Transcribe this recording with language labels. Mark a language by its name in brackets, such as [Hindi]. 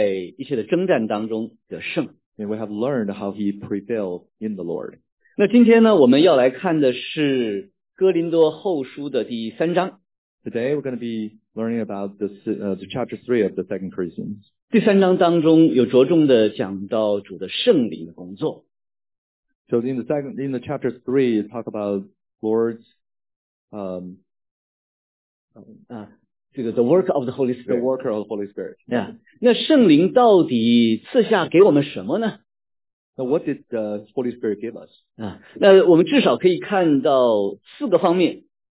[Chinese] 那我们也能够从中来学习保罗如何来靠主在一切的征战当中得胜。 [English] And we have learned how he prevailed in the Lord. [Chinese] 那今天呢，我们要来看的是哥林多后书的第三章。 [English] Today we're going to be learning about the chapter 3 of the 2 Corinthians. [Chinese] 第三章当中有着重的讲到主的圣灵的工作。 [English] So in the chapter 3, it talk about Lord's The work of the Holy Spirit. The worker of the Holy Spirit. Yeah. [Chinese] 那圣灵到底赐下给我们什么呢？ [English] So what did the Holy Spirit give us? [Chinese] 那我们至少可以看到四个方面。